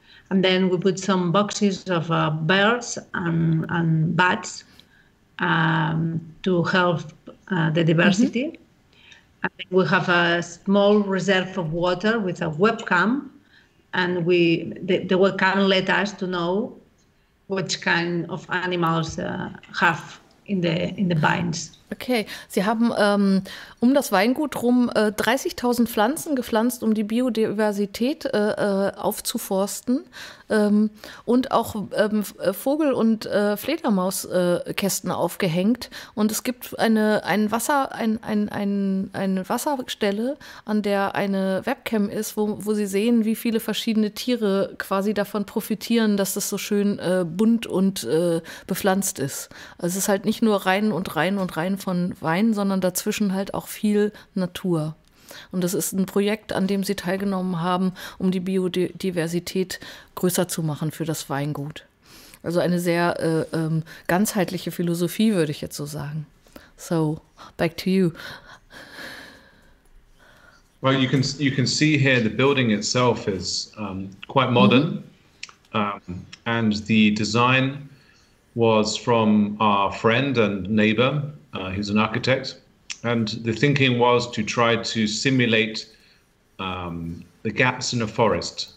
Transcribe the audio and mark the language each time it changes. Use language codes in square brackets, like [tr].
[en] And then we put some boxes of birds and bats to help the diversity. Mm-hmm. And then we have a small reserve of water with a webcam, and the webcam let us to know which kind of animals have in the vines. [de] Okay, Sie haben um das Weingut rum 30.000 Pflanzen gepflanzt, um die Biodiversität aufzuforsten und auch Vogel- und Fledermauskästen aufgehängt. Und es gibt eine Wasserstelle, an der eine Webcam ist, wo Sie sehen, wie viele verschiedene Tiere quasi davon profitieren, dass das so schön bunt und bepflanzt ist. Also es ist halt nicht nur rein und rein und rein von Wein, sondern dazwischen halt auch viel Natur. Und das ist ein Projekt, an dem Sie teilgenommen haben, um die Biodiversität größer zu machen für das Weingut. Also eine sehr ganzheitliche Philosophie, würde ich jetzt so sagen. [en] So, back to you. Well, you can see here the building itself is quite modern. Mm-hmm. And the design was from our friend and neighbor. He's an architect, and the thinking was to try to simulate the gaps in a forest.